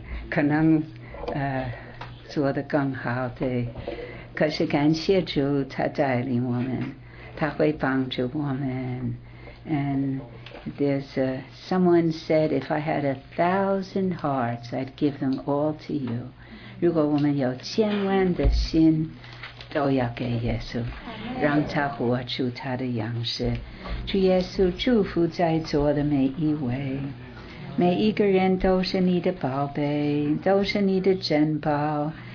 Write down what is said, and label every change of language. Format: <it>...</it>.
<zh>可能做得更好，对。可是感谢主，他带领我们，他会帮助我们。</zh> <en>And there's a, someone said, if I had 1,000 hearts, I'd give them all to you.</en> <zh>如果我们有千万的心，都要给耶稣，让他活出他的样式。主耶稣祝福在座的每一位，每一个人都是你的宝贝，都是你的珍宝。</zh>